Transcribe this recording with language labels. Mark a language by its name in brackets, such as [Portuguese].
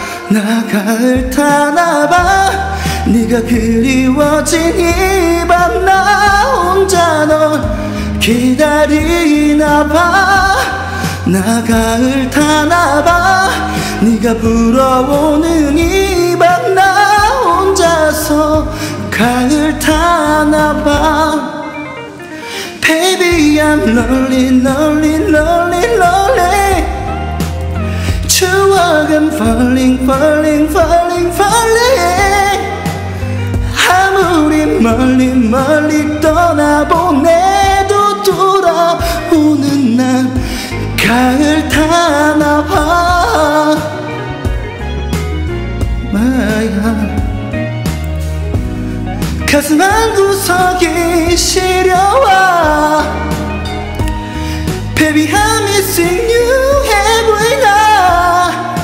[Korean] 나 가을 타나 봐. 네가 그리워진 이 밤 나 혼자 널 기다리나 봐. 나 가을 타나 봐. 네가 불어오는 이 밤 나 혼자서 가을 타나 봐. [English] Baby I'm lonely lonely lonely lonely. [Korean] 추억은 [English] falling falling falling falling. [Korean] 아무리 멀리 멀리 떠나보내도 돌아오는 난 가을 타나 봐. [English] My heart [Korean] 가슴 한 구석이 시려와. [English] Baby I'm missing you every night.